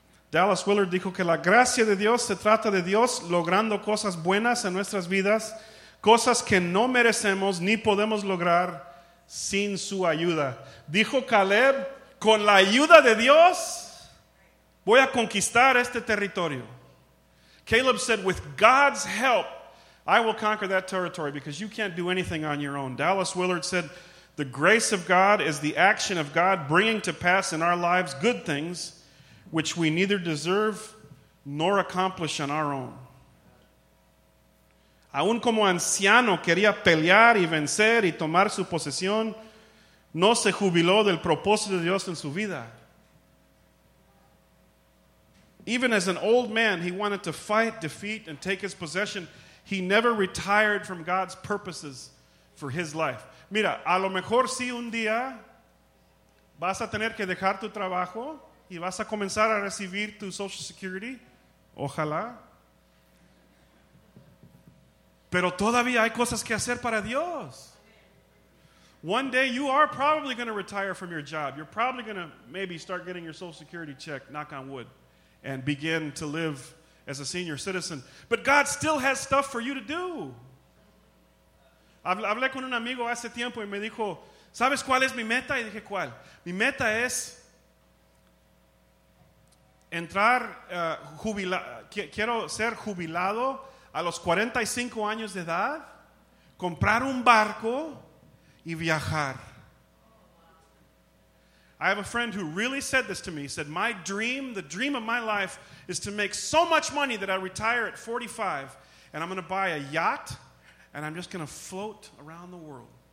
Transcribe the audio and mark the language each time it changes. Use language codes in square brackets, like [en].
[es] Dallas Willard dijo que la gracia de Dios se trata de Dios logrando cosas buenas en nuestras vidas, cosas que no merecemos ni podemos lograr sin su ayuda. Dijo Caleb, con la ayuda de Dios voy a conquistar este territorio. [en] Caleb said, with God's help, I will conquer that territory, because you can't do anything on your own. Dallas Willard said, the grace of God is the action of God bringing to pass in our lives good things which we neither deserve nor accomplish on our own. [es] Aún como anciano quería pelear y vencer y tomar su posesión, no se jubiló del propósito de Dios en su vida. [en] Even as an old man, he wanted to fight, defeat, and take his possession. He never retired from God's purposes for his life. [es] Mira, a lo mejor sí un día vas a tener que dejar tu trabajo y vas a comenzar a recibir tu Social Security. Ojalá. Pero todavía hay cosas que hacer para Dios. [en] One day you are probably going to retire from your job. You're probably going to maybe start getting your Social Security check, knock on wood, and begin to live as a senior citizen. But God still has stuff for you to do. [es] Hablé con un amigo hace tiempo y me dijo, ¿sabes cuál es mi meta? Y dije, ¿cuál? Mi meta es entrar jubilado. Quiero ser jubilado a los 45 años de edad, comprar un barco y viajar. [en] I have a friend who really said this to me. He said, my dream, the dream of my life, is to make so much money that I retire at 45 and I'm going to buy a yacht and I'm just going to float around the world.